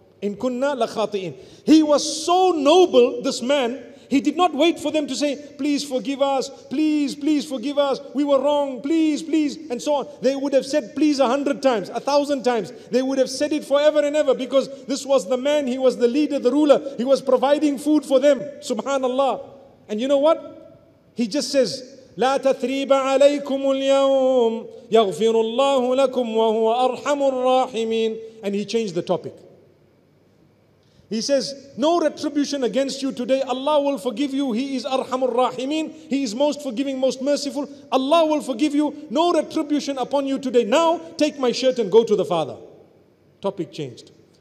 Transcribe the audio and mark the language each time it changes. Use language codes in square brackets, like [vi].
[ar] In kunna la khati'in. [en] He was so noble, this man, he did not wait for them to say, please forgive us, please, please forgive us, we were wrong, please, please, and so on. They would have said please 100 times, 1,000 times. They would have said it forever and ever, because this was the man, he was the leader, the ruler, he was providing food for them, subhanallah. And you know what? He just says, [ar] لَا تَثْرِيبَ عَلَيْكُمُ الْيَوْمِ يَغْفِرُ اللَّهُ لَكُمْ وَهُوَ أَرْحَمُ الرَّاحِمِينَ. [en] And he changed the topic. He says, no retribution against you today. Allah will forgive you. He is Arhamur Rahimin. He is most forgiving, most merciful. Allah will forgive you. No retribution upon you today. Now, take my shirt and go to the Father. Topic changed.